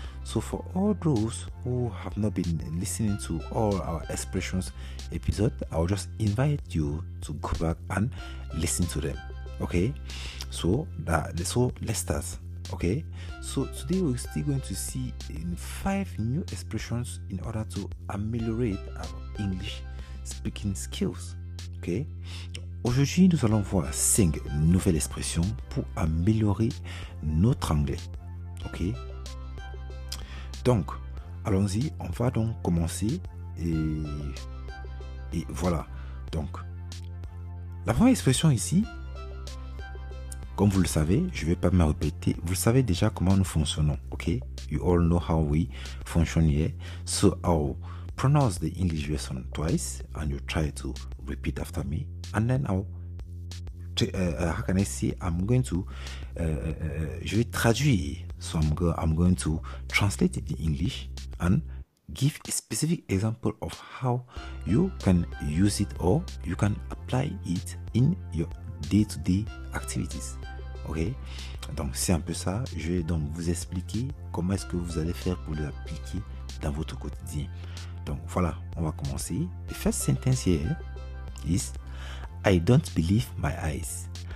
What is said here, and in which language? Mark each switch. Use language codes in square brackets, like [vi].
[en] So for all those who have not been listening to all our expressions episode, I'll just invite you to go back and listen to them. Okay, so let's start. Okay, so today we're still going to see in 5 new expressions in order to ameliorate our English speaking skills. [fr] Okay, aujourd'hui nous allons voir 5 nouvelles expressions pour améliorer notre anglais. Ok, donc allons-y, on va donc commencer et voilà. Donc la première expression ici, comme vous le savez, je vais pas me répéter, vous savez déjà comment nous fonctionnons. [en] Ok, you all know how we function here, so I'll pronounce the English version twice and you try to repeat after me, and then [fr] je vais traduire. [en] So I'm going to translate it in English and give a specific example of how you can use it or you can apply it in your day-to-day activities. [fr] Okay, donc c'est un peu ça. Je vais donc vous expliquer comment est-ce que vous allez faire pour l'appliquer dans votre quotidien. Donc voilà, on va commencer. [en] The first sentence here is I don't believe my eyes.